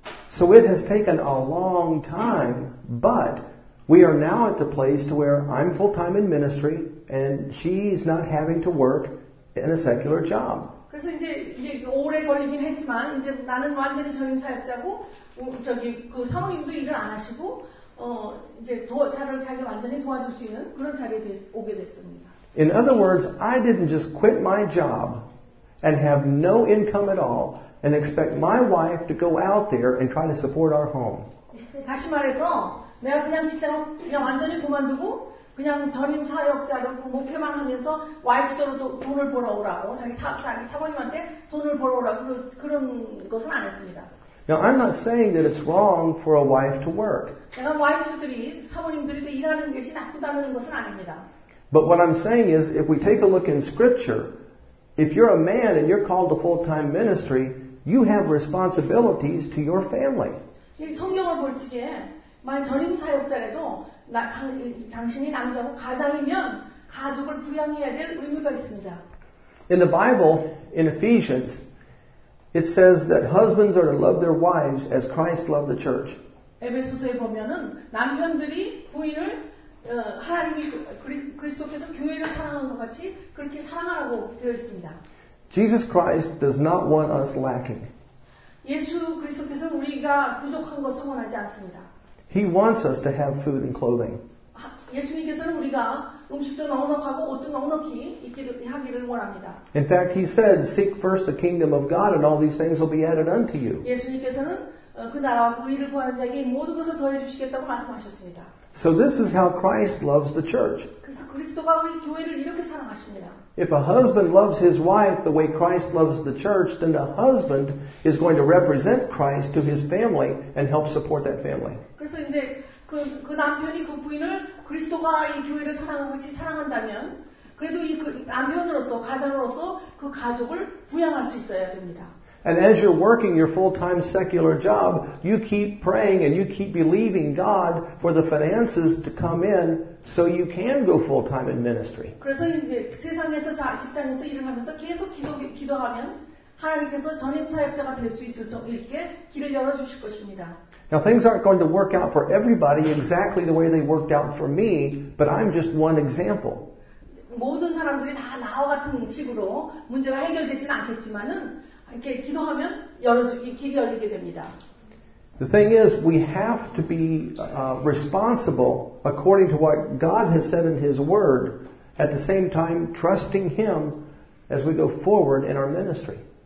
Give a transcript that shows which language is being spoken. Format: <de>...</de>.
<en>So it has taken a long time, but we are now at the place to where I'm full-time in ministry and she's not having to work in a secular job.</en> <ko>그래서 이제 오래 걸리긴 했지만 이제 나는 완전히 전임 사역자고 저기 그 사모님도 일을 안 하시고 이제 도와주는 자리 완전히 도와줄 수 있는 그런 자리에 오게 됐습니다.</ko> <en>In other words, I didn't just quit my job and have no income at all and expect my wife to go out there and try to support our home.</en> <ko>다시 말해서 내가 그냥 직장을 그냥 완전히 그만두고 그냥 전임 사역자로 목회만 하면서 와이프도 돈을 벌어오라고 자기 사모님한테 돈을 벌어오라고 그런 것은 안 했습니다.</ko> <en>Now I'm not saying that it's wrong for a wife to work.</en> <ko>내가 와이프들이 사모님들이 일하는 것이 나쁘다는 것은 아닙니다.</ko> <en>But what I'm saying is if we take a look in scripture, if you're a man and you're called to full-time ministry, You have responsibilities to your family.</en> <ko>성경을 볼 적에 만 전임 사역자라도 당신이 남자고 가장이면 가족을 부양해야 될 의무가 있습니다.</ko> <en>In the Bible, in Ephesians, it says that husbands are to love their wives as Christ loved the church.</en> <ko>에베소서에 보면은 남편들이 부인을 하나님이 그리스도께서 교회를 사랑하는 것 같이 그렇게 사랑하라고 되어 있습니다.</ko> <en>Jesus Christ does not want us lacking.</en> <ko>예수 그리스도께서는 우리가 부족한 것을 원하지 않습니다.</ko> <en>He wants us to have food and clothing.</en> <ko>예수님께서는 우리가 음식도 넉넉하고 옷도 넉넉히 하기를 원합니다.</ko> <en>In fact, he said, "Seek first the kingdom of God, and all these things will be added unto you."</en> <ko>예수님께서는 그 나라와 그 일을 구하는 자에게 모든 것을 더해 주시겠다고 말씀하셨습니다.</ko> <en>So this is how Christ loves the church.</en> <ko>그래서 그리스도가 우리 교회를 이렇게 사랑하십니다.</ko> <en>If a husband loves his wife the way Christ loves the church, then the husband is going to represent Christ to his family and help support that family.</en> <ko>그래서 이제 그 남편이 그 부인을 그리스도가 이 교회를 사랑하는 것이 사랑한다면, 그래도 이 그 남편으로서 가장으로서 그 가족을 부양할 수 있어야 됩니다.</ko> <en>And as you're working your full-time secular job, you keep praying and you keep believing God for the finances to come in so you can go full-time in ministry.</en> <ko>그래서 이제 세상에서 직장에서 일을 하면서 계속 기도하면 하나님께서 전임 사역자가 될 수 있을 정도 이렇게 길을 열어 주실 것입니다.</ko> <en>Now things aren't going to work out for everybody exactly the way they worked out for me, but I'm just one example.</en> <ko>모든 사람들이 다 나와 같은 식으로 문제가 해결되진 않겠지만은 이렇게 기도하면 길이 열리게 됩니다.</ko> <en>The thing is, we have to be responsible according to what God has said in His Word, at the same time trusting Him as we go forward in our ministry.</en>